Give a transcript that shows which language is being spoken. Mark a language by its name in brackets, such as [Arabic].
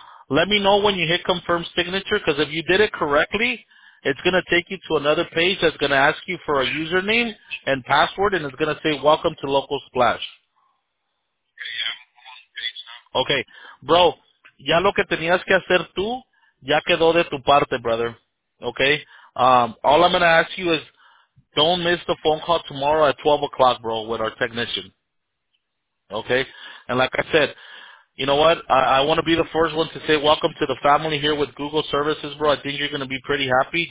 [English] Let me know when you hit confirm signature because if you did it correctly, it's going to take you to another page that's going to ask you for a username and password and it's going to say welcome to Local Splash. [Spanish] Okay, bro, ya lo que tenías que hacer tú ya quedó de tu parte, brother. [English] Okay? All I'm going to ask you is don't miss the phone call tomorrow at 12 o'clock, bro, with our technician. Okay? And like I said, you know what? I want to be the first one to say welcome to the family here with Google Services, bro. I think you're going to be pretty happy.